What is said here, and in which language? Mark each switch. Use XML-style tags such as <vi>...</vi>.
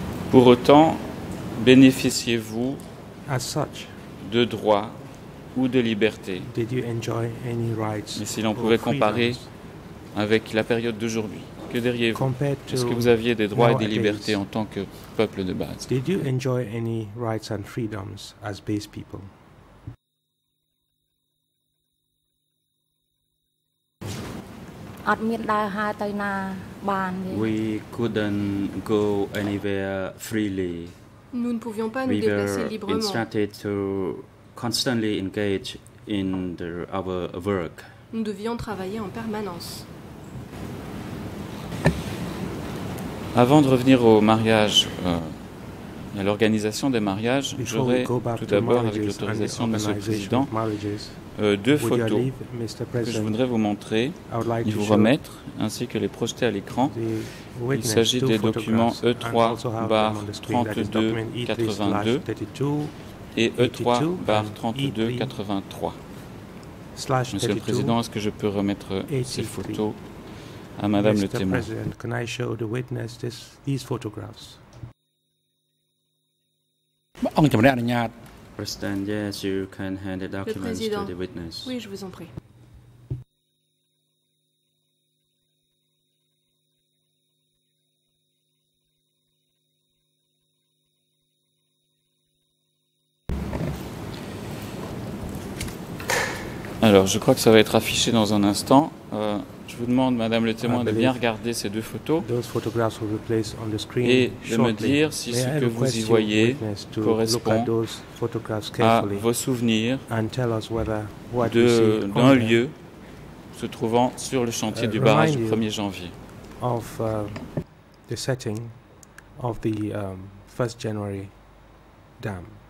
<fr>Pour autant, bénéficiez-vous</fr> <en>as such,</en> <fr>de droits ou de libertés?</fr> <en>Did you enjoy any rights?</en> <fr>Mais si l'on pouvait comparer avec la période d'aujourd'hui, que diriez-vous? Est-ce que vous aviez des droits et des libertés en tant que peuple de base?</fr> <en>Did you enjoy any rights and freedoms as base people? We couldn't go anywhere freely.</en> <fr>Nous ne pouvions pas</fr> <en>we</en> <fr>nous déplacer librement.</fr> <en>We were instructed to constantly engage in our work.</en> <fr>Nous devions travailler en permanence. Avant de revenir au mariage, à l'organisation des mariages, j'aurais tout d'abord, avec l'autorisation de M. le Président, deux photos que je voudrais vous montrer et vous remettre, ainsi que les projeter à l'écran. Il s'agit des documents E3-3282 et E3-3283. Monsieur le Président, est-ce que je peux remettre ces photos à Madame le témoin?</fr> <en>Mr. President, can I show the witness these photographs? President, yes, you can hand the documents to the witness.</en> <fr>Oui, je vous en prie. Alors, je crois que ça va être affiché dans un instant. Je vous demande, Madame le témoin, de bien regarder ces deux photos et de</fr> <en>shortly.</en> <fr>Me dire si</fr> <en>May</en> <fr>ce que vous y voyez correspond à vos souvenirs</fr> <en>and tell us</en> <fr>d'un lieu se trouvant sur le chantier du barrage du 1er janvier.</fr> <en>Of the setting of the 1st January dam.</en>